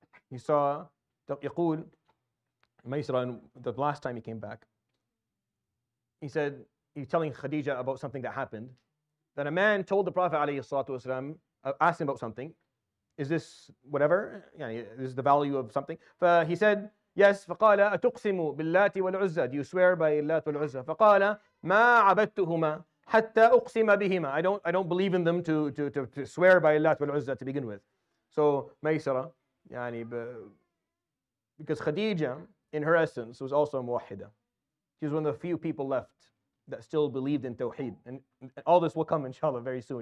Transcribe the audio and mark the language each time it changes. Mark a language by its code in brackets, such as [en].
[en] He saw يقول Maysara, the last time he came back, he said, he's telling Khadija about something that happened, that a man told the Prophet alayhi salatu wasalam, asked him about something. Is this whatever? Yeah, this is the value of something. He said, yes. [ar] فقال أتقسم باللات والعزة. [en] Do you swear by اللات والعزة? [ar] فقال ما عبدتهما حتى أقسم بهما. [en] I don't believe in them to swear by اللات والعزة to begin with. So Maysara, yani, because Khadija, in her essence, was also a muwahhida. She was one of the few people left that still believed in Tawheed. And all this will come, inshallah, very soon.